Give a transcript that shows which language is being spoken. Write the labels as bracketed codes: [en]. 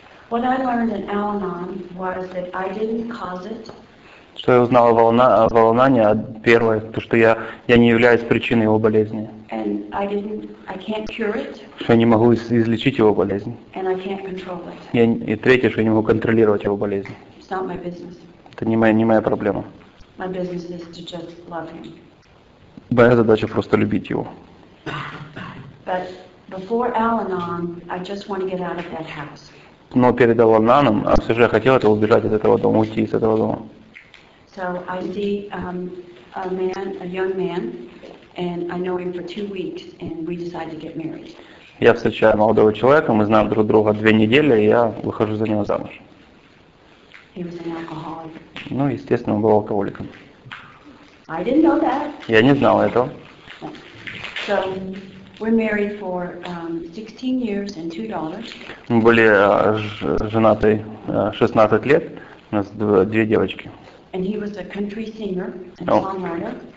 [en] What I learned in Al-Anon was that I didn't cause it. [ru] Что я узнала в Al-Anon, первое, то, что я не являюсь причиной его болезни. [en] And I can't cure it. [ru] Что я не могу излечить его болезнь. [en] And I can't control it. [ru] И третье, что я не могу контролировать его болезнь. [en] It's not my business. [ru] Это не моя проблема. [en] My business is to just love him. [ru] Моя задача просто любить его. [en] But before Al-Anon, I just want to get out of that house. [ru] Но перед Al-Anon, а все же я хотел это убежать от этого дома, уйти из этого дома. [en] So I see a man, a young man, and I know him for 2 weeks, and we decide to get married. [ru] Я встречаю молодого человека, мы знаем друг друга 2 недели, и я выхожу за него замуж. [en] He was an alcoholic. [ru] Ну, естественно, он был алкоголиком. [en] I didn't know that. [ru] Я не знал этого. [en] So we're married for 16 years and 2 daughters. [ru] Мы были женаты 16 лет, у нас две девочки. [en] And he was a country singer and songwriter.